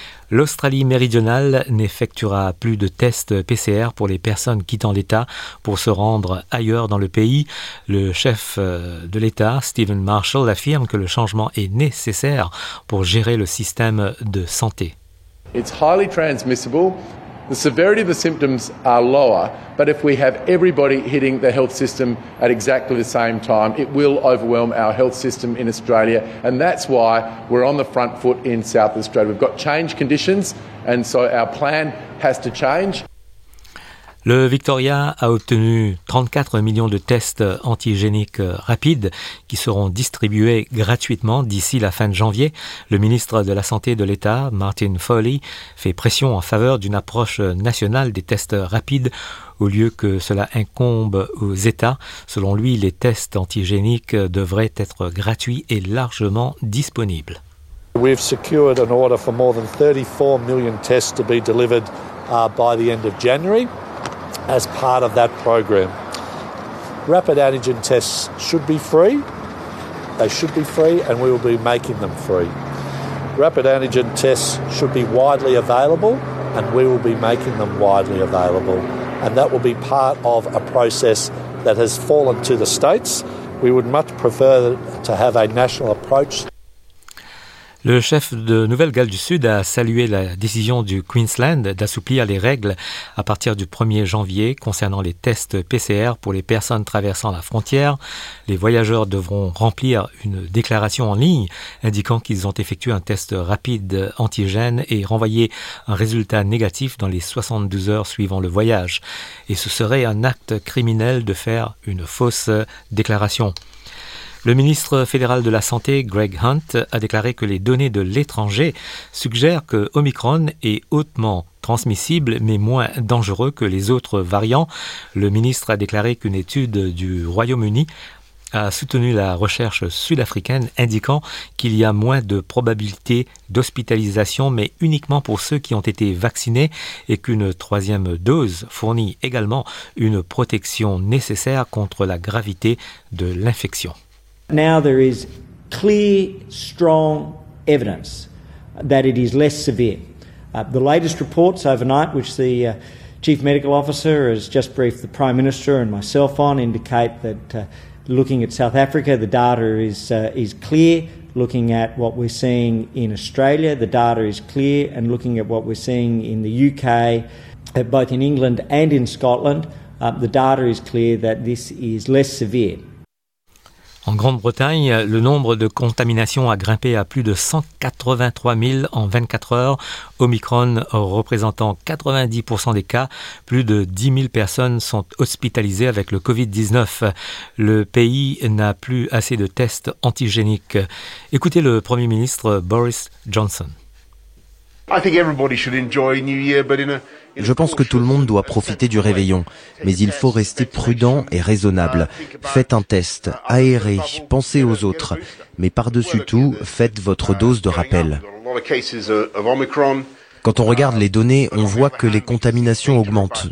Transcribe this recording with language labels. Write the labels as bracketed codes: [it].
[fr] L'Australie méridionale n'effectuera plus de tests PCR pour les personnes quittant l'État pour se rendre ailleurs dans le pays. Le chef de l'État, Stephen Marshall, affirme que le changement est nécessaire pour gérer le système de santé. [en] It's highly transmissible. The severity of the symptoms are lower, but if we have everybody hitting the health system at exactly the same time, it will overwhelm our health system in Australia. And that's why we're on the front foot in South Australia. We've got change conditions, and so our plan has to change. [fr] Le Victoria a obtenu 34 millions de tests antigéniques rapides qui seront distribués gratuitement d'ici la fin de janvier. Le ministre de la Santé de l'État, Martin Foley, fait pression en faveur d'une approche nationale des tests rapides au lieu que cela incombe aux États. Selon lui, les tests antigéniques devraient être gratuits et largement disponibles. [en] We've secured an order for more than 34 million tests to be delivered by the end of January. As part of that program, rapid antigen tests should be free. They should be free, and we will be making them free. Rapid antigen tests should be widely available, and we will be making them widely available. And that will be part of a process that has fallen to the states. We would much prefer to have a national approach. [fr] Le chef de Nouvelle-Galles du Sud a salué la décision du Queensland d'assouplir les règles à partir du 1er janvier concernant les tests PCR pour les personnes traversant la frontière. Les voyageurs devront remplir une déclaration en ligne indiquant qu'ils ont effectué un test rapide antigène et renvoyé un résultat négatif dans les 72 heures suivant le voyage. Et ce serait un acte criminel de faire une fausse déclaration. Le ministre fédéral de la Santé, Greg Hunt, a déclaré que les données de l'étranger suggèrent que Omicron est hautement transmissible mais moins dangereux que les autres variants. Le ministre a déclaré qu'une étude du Royaume-Uni a soutenu la recherche sud-africaine indiquant qu'il y a moins de probabilité d'hospitalisation mais uniquement pour ceux qui ont été vaccinés et qu'une troisième dose fournit également une protection nécessaire contre la gravité de l'infection. [en] Now there is clear, strong evidence that it is less severe. The latest reports overnight, which the Chief Medical Officer has just briefed the Prime Minister and myself on, indicate that looking at South Africa, the data is clear. Looking at what we're seeing in Australia, the data is clear. And looking at what we're seeing in the UK, both in England and in Scotland, the data is clear that this is less severe. [fr] En Grande-Bretagne, le nombre de contaminations a grimpé à plus de 183 000 en 24 heures. Omicron représentant 90% des cas, plus de 10 000 personnes sont hospitalisées avec le Covid-19. Le pays n'a plus assez de tests antigéniques. Écoutez le Premier ministre Boris Johnson. [en] I think everybody should enjoy New Year, but in a... [fr] Je pense que tout le monde doit profiter du réveillon, mais il faut rester prudent et raisonnable. Faites un test, aérez, pensez aux autres, mais par-dessus tout, faites votre dose de rappel. Quand on regarde les données, on voit que les contaminations augmentent.